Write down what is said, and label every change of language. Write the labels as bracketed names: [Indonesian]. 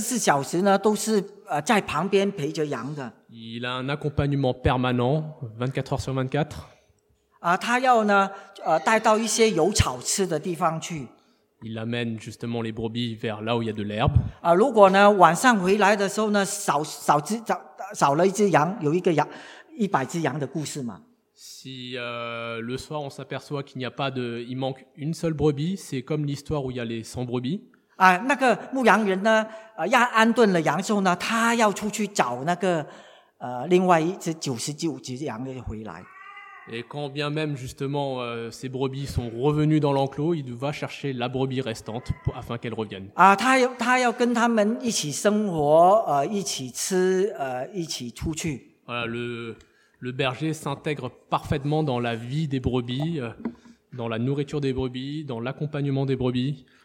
[Chinese] 他要全天24小时呢，都是在旁边陪着羊的. [French] Il a un accompagnement permanent, 24 heures sur 24. [Chinese] 他要呢，带到一些有草吃的地方去. [French] Il amène justement les brebis vers là où il y a de l'herbe. [Chinese] 如果呢，晚上回来的时候呢，少了一只羊，有一个羊，100只羊的故事嘛. [French] Si le soir on s'aperçoit qu'il n'y a pas de, il manque une seule brebis, c'est comme l'histoire où il y a les 100 brebis. [Chinese] Ah, 那个牧羊人呢，要安顿了羊之后呢，他要出去找那个另外一只99只羊回来. [French] Et quand bien même justement ces brebis sont revenues dans l'enclos, il va chercher la brebis restante afin qu'elle revienne. [Chinese] Ah, 他要跟他们一起生活，一起吃，一起出去. [French] Voilà, le berger s'intègre parfaitement dans la vie des brebis, dans la nourriture des brebis, dans l'accompagnement des brebis.